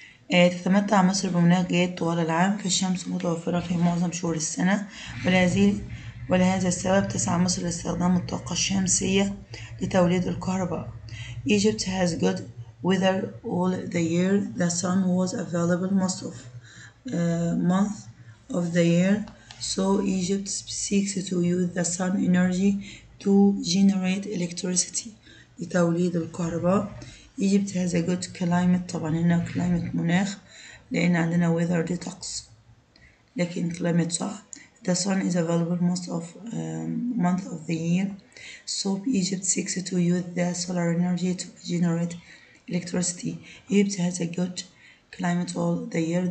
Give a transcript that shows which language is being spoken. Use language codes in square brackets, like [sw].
[ar] تتمتع مصر بمناخ جيد طوال العام فالشمس متوفرة في معظم شهور السنة ولهذا السبب تسعى مصر لاستخدام الطاقة الشمسية لتوليد الكهرباء. [en] Egypt has good Weather all the year, the sun was available most of month of the year. So Egypt seeks to use the sun energy to generate electricity. [ar] لتوليد الكهرباء. [en] Egypt has a good climate. [ar] طبعا هنا climate مناخ لأن عندنا [en] weather detox. [ar] لكن climate صح. [en] The sun is available most of month of the year. So Egypt seeks to use the solar energy to generate electricity. Egypt has a good climate all the year.